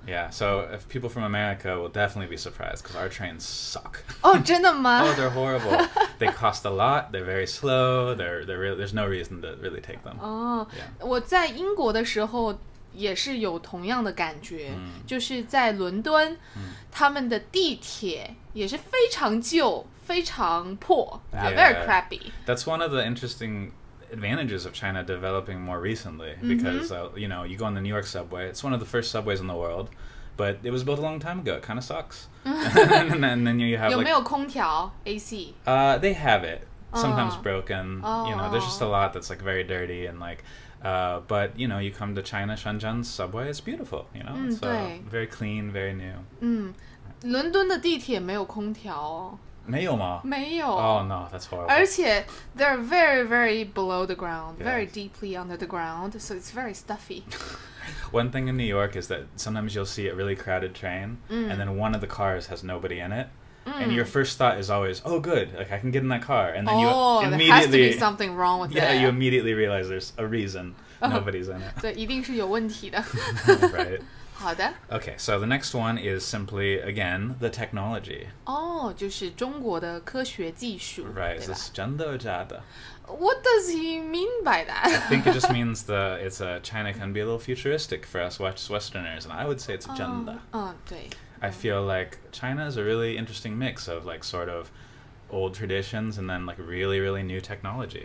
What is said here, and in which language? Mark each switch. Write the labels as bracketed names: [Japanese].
[English] Yeah, so if people from America will definitely be surprised, because our trains suck. [Chinese] Oh, 真的吗? [English] Oh, they're horrible. They cost a lot, they're very slow, there's no reason to really take them. Oh, yeah. [Chinese] 我在英国的时候, 也是有同样的感觉, 就是在伦敦, 他们的地铁, 也是非常旧, 非常破, [English] yeah, very crappy. That's one of the interesting advantages of China developing more recently, because, you know, you go on the New York subway, it's one of the first subways in the world, but it was built a long time ago, it kind of sucks. and then you have, [Chinese] 有没有空调, [English] like, AC? They have it, sometimes broken, you know, there's just a lot that's, like, very dirty, and, like, but, you know, you come to China, Shenzhen subway, it's beautiful, you know, so very clean, very new. [Chinese] 伦敦的地铁没有空调哦。没有吗? 没有。 [English] Oh no, that's horrible. [Chinese] 而且, [English] they're very, very below the ground, very deeply under the ground, so it's very stuffy. One thing in New York is that sometimes you'll see a really crowded train, and then one of the cars has nobody in it, and your first thought is always, oh good, like I can get in that car, and then you immediately... Oh, there has to be something wrong with it. Yeah, you immediately realize there's a reason nobody's in it. [Chinese] 对,一定是有问题的。 [English] Right. [Chinese] 好的. [English] Okay, so the next one is simply, again, the technology. [Chinese] Oh, 就是中国的科学技术, [English] right, is this [Chinese] 真的假的? [English] What does he mean by that? I think it just means that it's a, China can be a little futuristic for us Westerners, and I would say it's [Chinese] 真的. [English] I feel like China is a really interesting mix of, like, sort of old traditions and then, like, really, really new technology.